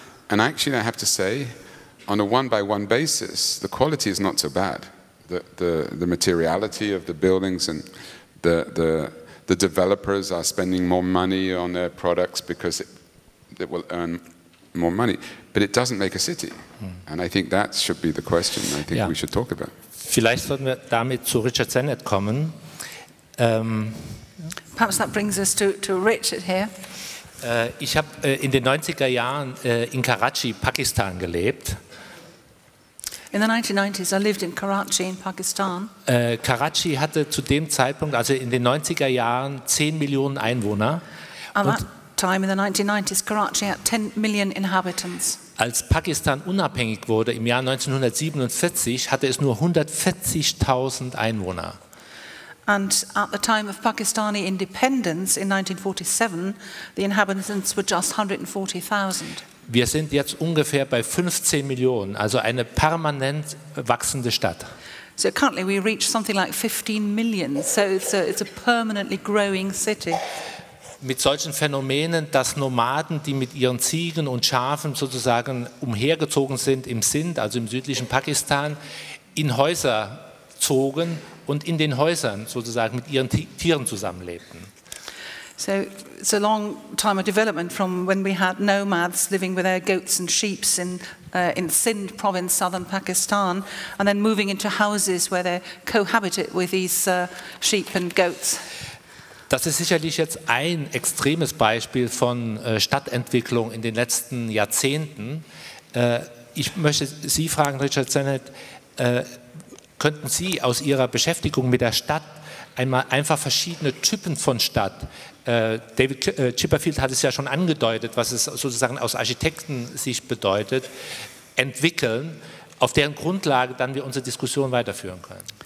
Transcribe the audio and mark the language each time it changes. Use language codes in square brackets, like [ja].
[en] And actually, I have to say, on a one-by-one basis, the quality is not so bad. The materiality of the buildings and the developers are spending more money on their products because it will earn more money. But it doesn't make a city. And I think that should be the question I think we should talk about. [de] Vielleicht sollten wir damit zu Richard Sennett kommen. [en] Perhaps that brings us to Richard here. [de] Ich habe in den 90er Jahren in Karachi, Pakistan gelebt. [en] In the 1990s, I lived in Karachi in Pakistan. [de] Karachi hatte zu dem Zeitpunkt, also in den 90er Jahren, 10 Millionen Einwohner. [en] At that time in the 1990s, Karachi had 10 million inhabitants. [de] Als Pakistan unabhängig wurde im Jahr 1947, hatte es nur 140.000 Einwohner. [en] And at the time of Pakistani independence in 1947, the inhabitants were just 140,000. [de] Wir sind jetzt ungefähr bei 15 Millionen, also eine permanent wachsende Stadt. [en] So currently we reach something like 15 million, so it's a permanently growing city. [de] Mit solchen Phänomenen, dass Nomaden, die mit ihren Ziegen und Schafen sozusagen umhergezogen sind im Sind, also im südlichen Pakistan, in Häuser zogen und in den Häusern sozusagen mit ihren Tieren zusammenlebten. [en] So it's a long time of development from when we had nomads living with their goats and sheep in Sindh province, southern Pakistan, and then moving into houses where they cohabited with these sheep and goats. [de] Das ist sicherlich jetzt ein extremes Beispiel von Stadtentwicklung in den letzten Jahrzehnten. Ich möchte Sie fragen, Richard Sennett, könnten Sie aus Ihrer Beschäftigung mit der Stadt einmal einfach verschiedene Typen von Stadt, David Chipperfield hat es ja schon angedeutet, was es sozusagen aus Architektensicht bedeutet, entwickeln, auf deren Grundlage dann wir unsere Diskussion weiterführen können?